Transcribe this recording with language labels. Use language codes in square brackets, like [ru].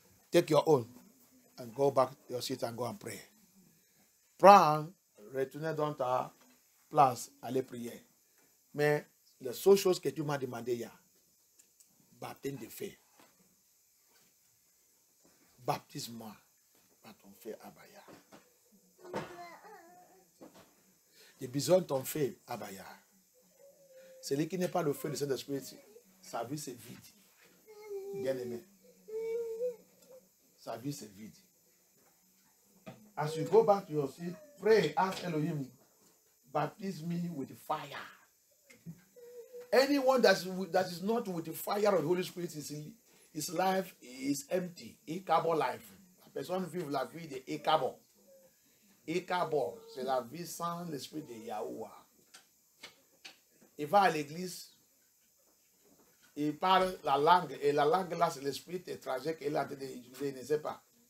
[en] Take your own and go back to your seat and go and pray. [fr] Prends, retourne dans ta place, aller prier. Mais la seule chose que tu m'as demandé hier, baptême de feu. Baptise-moi par ton feu, Abaya. J'ai besoin de ton feu, Abaya. Celui qui n'est pas le feu du Saint-Esprit, sa vie c'est vide. Bien-aimé. Sa vie c'est vide. [en] As you go back to your seat, pray, ask Elohim, baptize me with fire. Anyone that is not with the fire of the Holy Spirit, his life is empty. [fr] Ikabo life. La personne vit la vie de Ikabo. Ikabo, c'est la vie sans l'esprit de Yahoua. Il va à l'église, il parle la langue, et la langue là, c'est l'esprit étranger qu'il a dit, il ne sait pas.